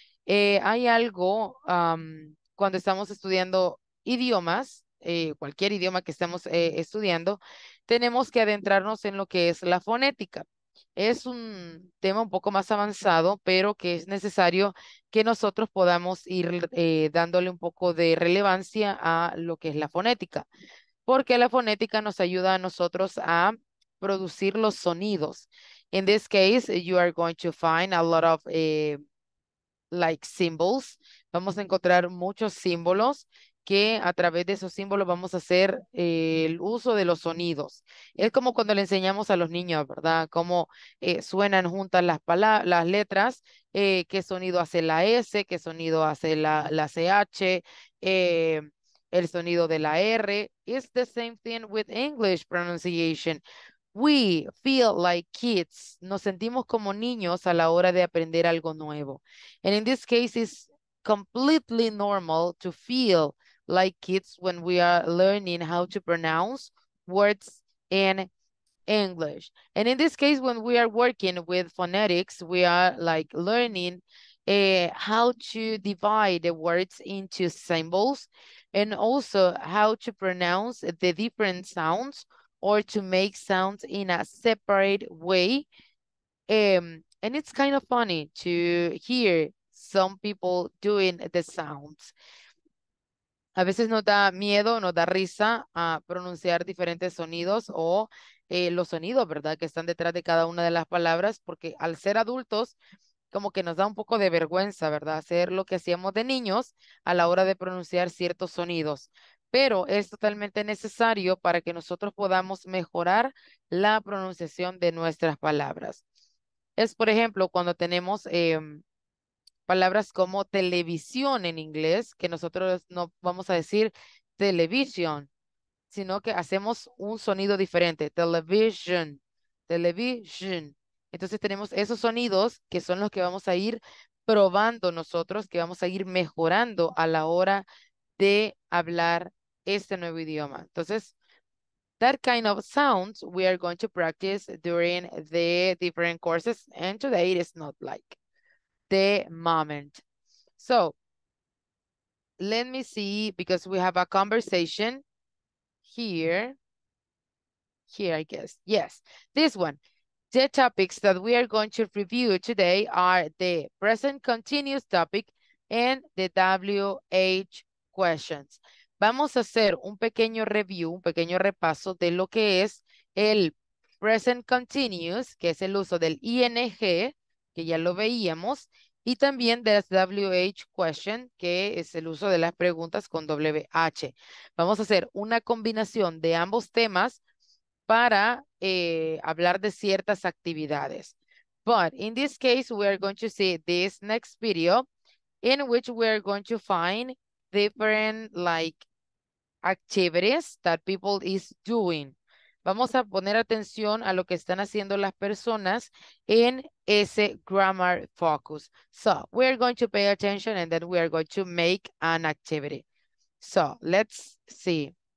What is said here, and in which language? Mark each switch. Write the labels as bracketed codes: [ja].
[es] Hay algo cuando estamos estudiando idiomas, cualquier idioma que estemos estudiando, tenemos que adentrarnos en lo que es la fonética. Es un tema un poco más avanzado, pero que es necesario que nosotros podamos ir dándole un poco de relevancia a lo que es la fonética, porque la fonética nos ayuda a nosotros a producir los sonidos. [en] In this case, you are going to find a lot of symbols. [es] Vamos a encontrar muchos símbolos que a través de esos símbolos vamos a hacer el uso de los sonidos. Es como cuando le enseñamos a los niños, ¿verdad? Cómo suenan juntas las letras, qué sonido hace la S, qué sonido hace la CH, el sonido de la R. [en] It's the same thing with English pronunciation. We feel like kids. [es] Nos sentimos como niños a la hora de aprender algo nuevo. [en] And in this case, it's completely normal to feel like kids when we are learning how to pronounce words in English. And in this case, when we are working with phonetics, we are like learning how to divide the words into symbols and also how to pronounce the different sounds or to make sounds in a separate way. And it's kind of funny to hear some people doing the sounds. [es] A veces nos da miedo, nos da risa a pronunciar diferentes sonidos o los sonidos, ¿verdad?, que están detrás de cada una de las palabras, porque al ser adultos, como que nos da un poco de vergüenza, ¿verdad?, hacer lo que hacíamos de niños a la hora de pronunciar ciertos sonidos. Pero es totalmente necesario para que nosotros podamos mejorar la pronunciación de nuestras palabras. Es, por ejemplo, cuando tenemos palabras como televisión en inglés, que nosotros no vamos a decir television, sino que hacemos un sonido diferente, television, television. Entonces tenemos esos sonidos que son los que vamos a ir probando nosotros, que vamos a ir mejorando a la hora de hablar este nuevo idioma. Entonces, [en] that kind of sounds we are going to practice during the different courses, and today it is not like the moment. So, let me see, because we have a conversation here, I guess. Yes, this one. The topics that we are going to review today are the present continuous topic and the WH questions. [es] Vamos a hacer un pequeño review, un pequeño repaso de lo que es el present continuous, que es el uso del ing, que ya lo veíamos, y también de las WH question, que es el uso de las preguntas con WH. Vamos a hacer una combinación de ambos temas para hablar de ciertas actividades. [en] But in this case, we are going to see this next video in which we are going to find different activities that people is doing. [es] Vamos a poner atención a lo que están haciendo las personas en ese grammar focus. [en] So, we are going to pay attention and then we are going to make an activity. So, let's see.